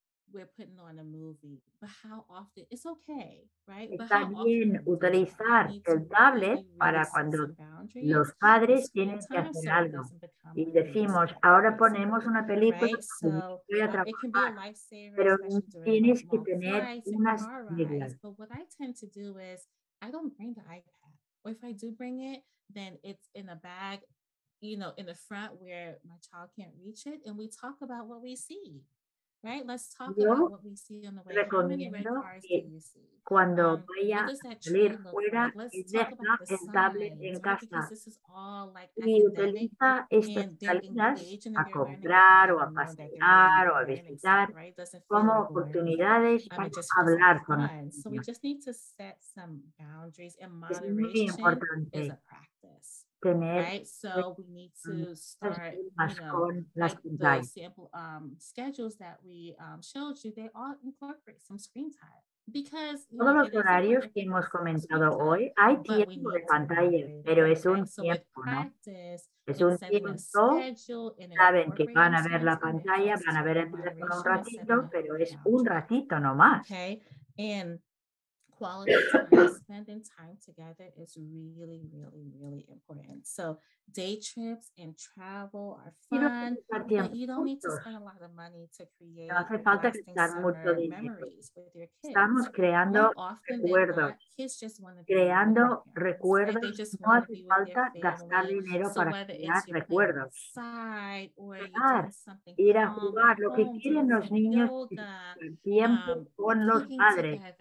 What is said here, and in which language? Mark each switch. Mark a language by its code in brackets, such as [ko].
[en] We're putting on a movie, but how often? It's okay, right? [es] Está bien utilizar el tablet para cuando los padres tienen que hacer algo. Y decimos, ahora ponemos una película y voy a trabajar. Pero tienes que tener unas reglas. [en] But what I tend to do is, I don't bring the iPad. Or if I do bring it, then it's in a bag, you know, in the front where my child can't reach it. And we talk about what we see. Right, let's talk [es] yo [en] about what we see on the way. How many red cars do you see? [es] Cuando vaya a salir fuera, deja el tablet en casa y utiliza estas salidas a comprar o a pasear o a visitar como oportunidades para hablar con los niños. Es muy importante this. [en] Right, so we need to start, the sample schedules that we showed you, they all incorporate some screen time. [es] Todos los horarios que hemos comentado hoy, hay tiempo de pantalla, pero es un tiempo, ¿no? Es un tiempo, saben que van a ver la pantalla, van a ver el teléfono un ratito, pero es un ratito nomás. [en] Quality time, spending time together is really, really, really important. So day trips and travel are fun, but you don't need to spend a lot of money to create memories with your kids. [es] Estamos creando recuerdos. Creando recuerdos. No hace falta gastar dinero para crear recuerdos. Jugar, ir a jugar. Lo que quieren los niños es el tiempo con los padres.